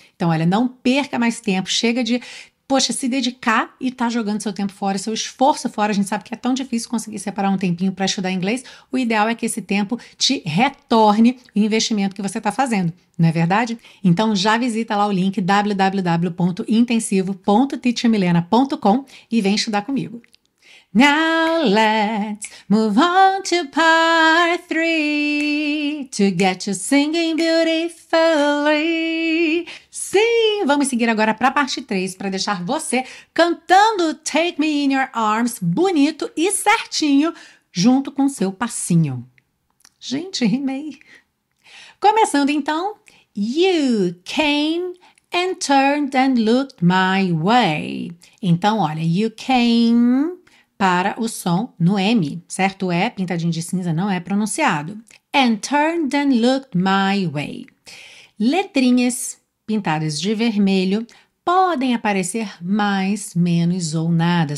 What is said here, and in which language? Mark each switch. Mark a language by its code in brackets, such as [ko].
[pt] Então, olha, não perca mais tempo, chega de, poxa, se dedicar e tá jogando seu tempo fora, seu esforço fora. A gente sabe que é tão difícil conseguir separar um tempinho para estudar inglês. O ideal é que esse tempo te retorne o investimento que você está fazendo, não é verdade? Então já visita lá o link www.intensivo.teachmilena.com e vem estudar comigo. [en] Now let's move on to part three, to get you singing beautifully. [pt] Sim, vamos seguir agora para a parte 3, para deixar você cantando Take Me In Your Arms bonito e certinho, junto com seu passinho. Gente, rimei. Começando então, [en] you came and turned and looked my way. [pt] Então, olha, [en] you came [pt] para o som no M, certo? É pintadinho de cinza, não é pronunciado. [en] And turned and looked my way. [pt] Letrinhas pintadas de vermelho podem aparecer mais, menos ou nada.